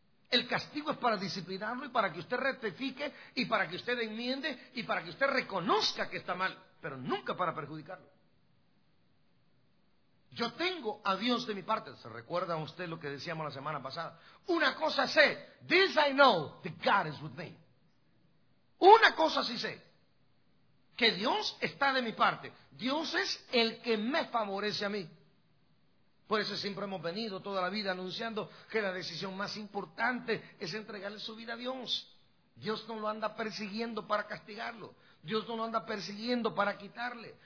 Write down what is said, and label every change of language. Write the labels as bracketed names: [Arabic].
[Spanish] El castigo es para disciplinarlo y para que usted rectifique y para que usted enmiende y para que usted reconozca que está mal, pero nunca para perjudicarlo. Yo tengo a Dios de mi parte. ¿Se recuerda usted lo que decíamos la semana pasada? Una cosa sé. [English] This I know, that God is with me. [Spanish] Una cosa sí sé. Que Dios está de mi parte. Dios es el que me favorece a mí. Por eso siempre hemos venido toda la vida anunciando que la decisión más importante es entregarle su vida a Dios. Dios no lo anda persiguiendo para castigarlo. Dios no lo anda persiguiendo para quitarle.